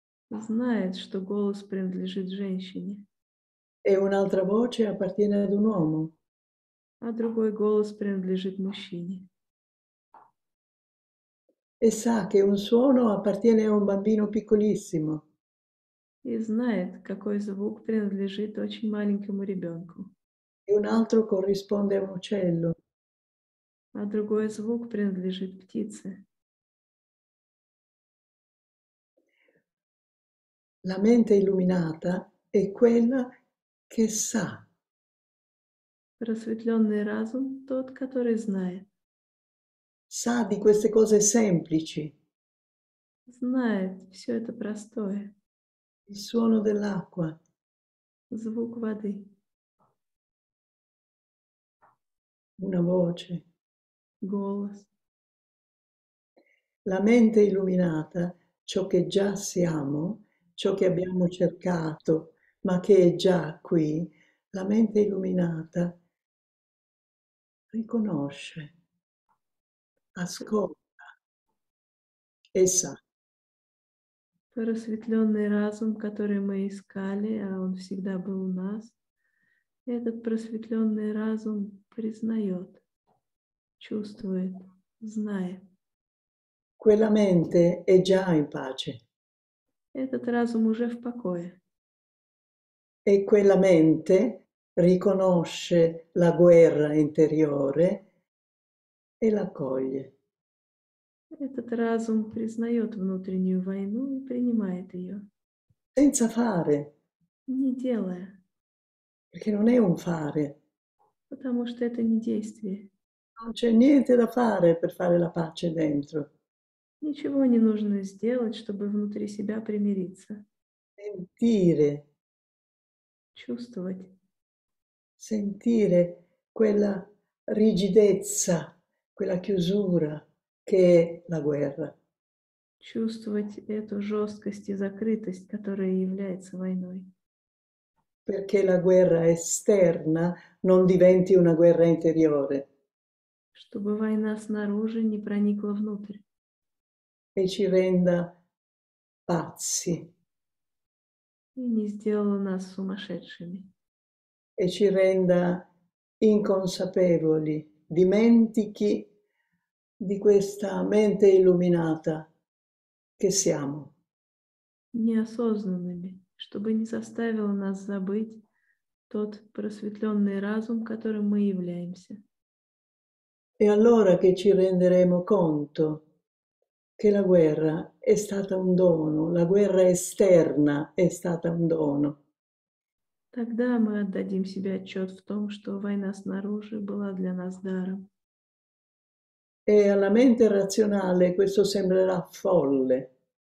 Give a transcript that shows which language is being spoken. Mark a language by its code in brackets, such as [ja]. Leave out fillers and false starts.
[ru] Знает, что голос принадлежит женщине. [it] E un'altra voce appartiene ad un uomo. [ru] А другой голос принадлежит мужчине. [it] E sa che un suono appartiene a un bambino piccolissimo. [ru] И знает, какой звук принадлежит очень маленькому ребенку. [it] E un altro corrisponde a un uccello. [ru] А другой звук принадлежит птице. [it] La mente illuminata è quella che sa. [ru] Просветленный разум – тот, который знает. [it] Sa di queste cose semplici. [ru] Знает все это простое. [it] Il suono dell'acqua. [ru] Звук воды. [it] Una voce. [ru] Голос. [it] La mente illuminata, ciò che già siamo, ciò che abbiamo cercato, ma che è già qui, la mente illuminata riconosce, ascolta e sa. [ru] Просветленный разум, который мы искали, а он всегда был у нас, этот просветленный разум признает, чувствует, знает. [it] Quella mente è già in pace. [ru] Этот разум уже в покое. [it] E quella mente riconosce la guerra interiore e l'accoglie. [ru] Этот разум признает внутреннюю войну и принимает ее. [it] Senza fare. [ru] Не делая. [it] Perché non è un fare. [ru] Потому что это не действие. [it] Non c'è niente da fare per fare la pace dentro. [ru] Ничего не нужно сделать, чтобы внутри себя примириться. [it] Sentire. [ru] Чувствовать. [it] Sentire quella rigidezza, quella chiusura che è la guerra. [ru] Чувствовать эту жесткость и закрытость, которая является войной. [it] Perché la guerra esterna non diventi una guerra interiore. [ru] Чтобы война снаружи не проникла внутрь. [it] E ci renda pazzi. [ru] И не сделала нас сумасшедшими. [it] E ci renda inconsapevoli, dimentichi di questa mente illuminata che siamo. [ru] Неосознанными, чтобы не заставило нас забыть тот просветленный разум, которым мы являемся. [it] E allora che ci renderemo conto che la guerra è stata un dono, la guerra esterna è stata un dono. [ru] Тогда мы отдадим себе отчет в том, что война снаружи была для нас даром. [it] E alla mente razionale questo sembrerà folle.